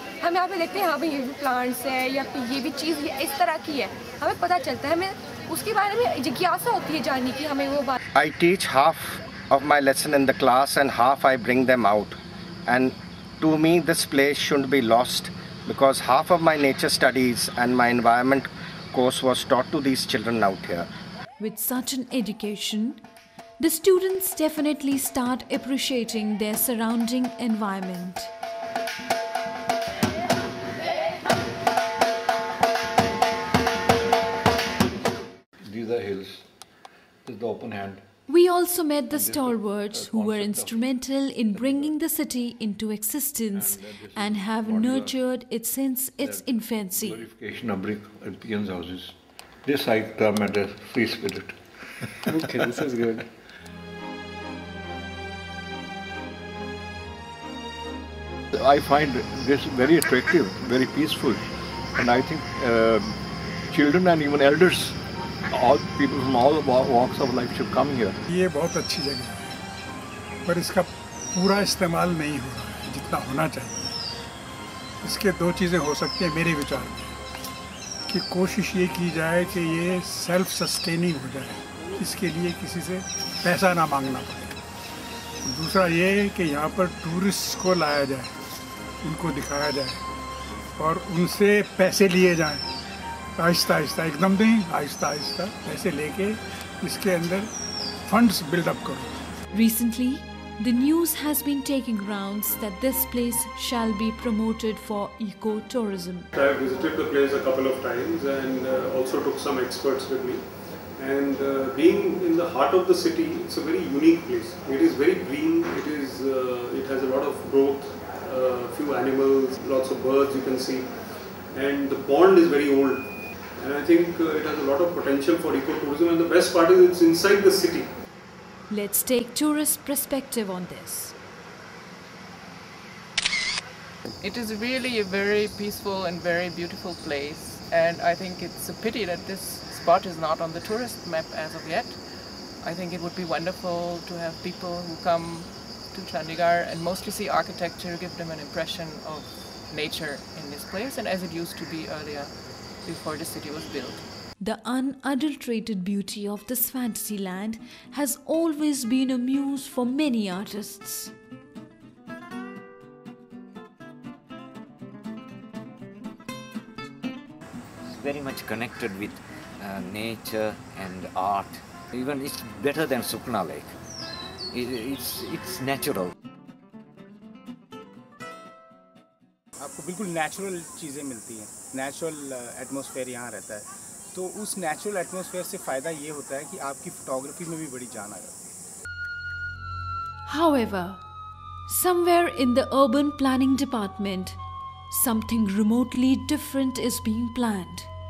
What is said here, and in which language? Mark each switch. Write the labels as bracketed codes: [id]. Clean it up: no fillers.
[hi] हम यहाँ पे देखते हैं हाँ भाई ये भी प्लांट्स है या फिर ये भी चीज़ इस तरह की है, हमें पता चलता है, हमें उसके बारे में जिज्ञासा होती है जानने की हमें वो बात। [en] I teach half of my lesson in the class and half I bring them out and to me this place should be lost because half of my nature studies and my environment course was taught to these children out here. With such an education, the students definitely start appreciating their surrounding environment. These are hills. This is the open hand. We also met the stalwarts who were instrumental in bringing the city into existence and have nurtured it since its infancy. Glorification of brick and peons houses. This I term as a free spirit. Okay, this is good. I find this very attractive, very peaceful. And I think children and even elders, all people from all walks of life should come here. [hi] ये बहुत अच्छी जगह है, पर इसका पूरा इस्तेमाल नहीं हो रहा है जितना होना चाहिए। इसके दो चीज़ें हो सकती हैं मेरे विचार में, कि कोशिश ये की जाए कि ये सेल्फ सस्टेनिंग हो जाए, इसके लिए किसी से पैसा ना मांगना पड़े। दूसरा ये कि यहाँ पर टूरिस्ट को लाया जाए, उनको दिखाया जाए और उनसे पैसे लिए जाए, आहिस्ता आहिस्ता एकदम नहीं, आहिस्ता आहिस्ता पैसे लेके इसके अंदर फंड्स बिल्ड अप करो। [en] Recently the news has been taking rounds that this place shall be promoted for eco tourism. I have visited the place a couple of times and also took some experts with me and being in the heart of the city it's a very unique place. It is very green, it is it has a lot of growth, few animals, lots of birds you can see and the pond is very old and I think it has a lot of potential for eco tourism and the best part is it's inside the city. Let's take tourist perspective on this. It is really a very peaceful and very beautiful place, and I think it's a pity that this spot is not on the tourist map as of yet. I think it would be wonderful to have people who come to Chandigarh and mostly see architecture give them an impression of nature in this place and as it used to be earlier before the city was built. The unadulterated beauty of this fantasy land has always been a muse for many artists. It's very much connected with nature and art. Even it's better than Sukhna Lake. It's natural. [hi] आपको बिल्कुल natural चीजें मिलती हैं. Natural atmosphere यहाँ रहता है. तो उस नेचुरल एटमॉस्फेयर से फायदा ये होता है कि आपकी फोटोग्राफी में भी बड़ी जान आ जाती है। [en] However, somewhere in the urban planning department, something remotely different is being planned.